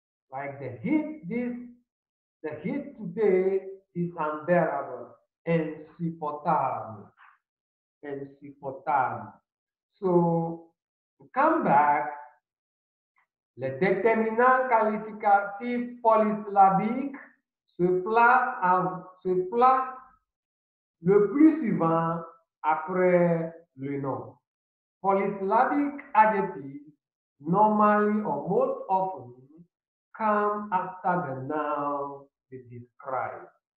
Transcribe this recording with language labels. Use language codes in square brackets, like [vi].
[en] Like the heat today is unbearable, insupportable, insupportable. So, to come back, [fr] les déterminants qualificatifs polysyllabiques se placent le plus souvent après le nom. [en] Polysyllabic adjectives normally or most often come after the noun they describe.